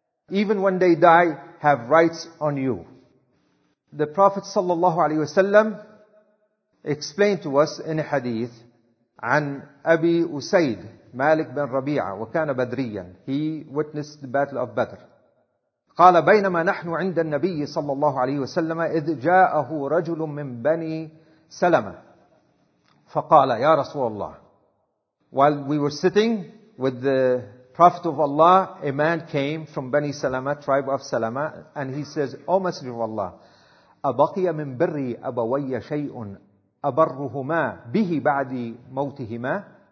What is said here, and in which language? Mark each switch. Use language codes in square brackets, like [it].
[en] Even when they die, have rights on you. The Prophet sallallahu alaihi wasallam explained to us in a hadith [ar] عن أبي أسيد مالك بن ربيعة وكان بدريا. [en] He witnessed the battle of Badr. [ar] قال بينما نحن عند النبي صلى الله عليه وسلم إذ جاءه رجل من بني سلمة فقال يا رسول الله. [en] While we were sitting with the Prophet of Allah, a man came from Bani Salama, tribe of Salama, and he says, O Messenger of Allah, [ar] أَبَقِيَ مِنْ بِرِّ أَبَوَيَّ شَيْءٌ أَبَرُّهُمَا بِهِ بَعْدِ مَوْتِهِمَا.